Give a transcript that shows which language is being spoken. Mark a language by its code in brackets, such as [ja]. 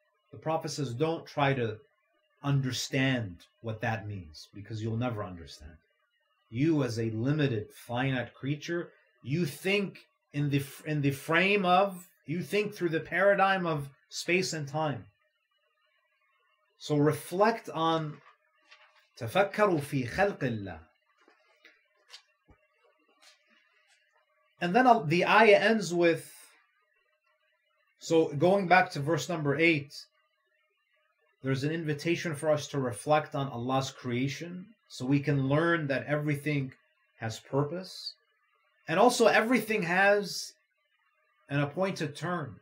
[en] The Prophet says, don't try to understand what that means, because you'll never understand. You, as a limited, finite creature, you think in the frame of through the paradigm of space and time. So reflect on [ar] تَفَكَّرُوا فِي خَلْقِ اللَّهِ. [en] And then the ayah ends with, so going back to verse number 8, there's an invitation for us to reflect on Allah's creation so we can learn that everything has purpose, and also everything has an appointed term.